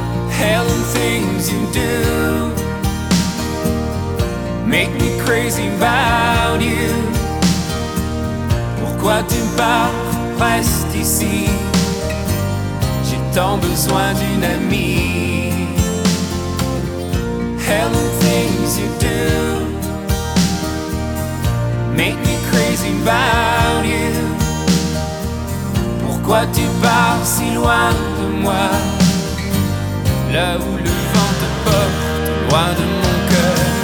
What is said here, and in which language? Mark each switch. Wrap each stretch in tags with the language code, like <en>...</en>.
<en>Hell, the things you do make me crazy about you.</en> <fr>Pourquoi tu pars, reste ici. J'ai tant besoin d'une amie.</fr> <en>Hell, the things you do make me crazy about you.</en> <fr>Pourquoi tu pars si loin de moi. Là où le vent te porte, loin de mon cœur.</fr>